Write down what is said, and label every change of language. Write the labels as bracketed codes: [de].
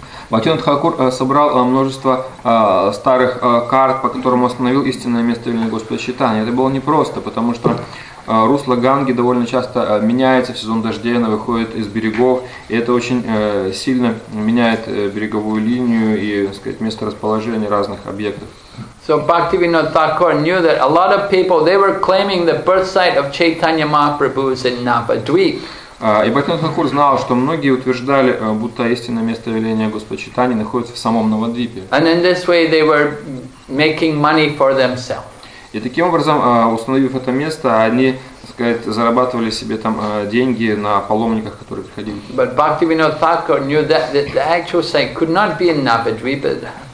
[ru] Бхактивинода Тхакур собрал множество старых карт, по которым установил истинное место явления Господа Чайтаньи. Это было непросто, потому что русло Ганги довольно часто меняется в сезон дождей, оно выходит из берегов, и это очень сильно меняет береговую линию и, так сказать, месторасположение разных объектов. [en] So Bhaktivinoda Thakur knew that a lot of people, they were claiming the birth site of Chaitanya Mahaprabhu is in Navadvip. [ru] И Бхактивинода Тхакур знал, что многие утверждали, будто истинное место явления Господа Чайтаньи находится в самом Навадвипе. [en] And in this way they were making money for themselves. [ru] И таким образом, установив это место, они, так сказать, зарабатывали себе там деньги на паломниках, которые приходили. [en] But Bhaktivinoda Thakur knew that the actual site could not be in Navadvipa.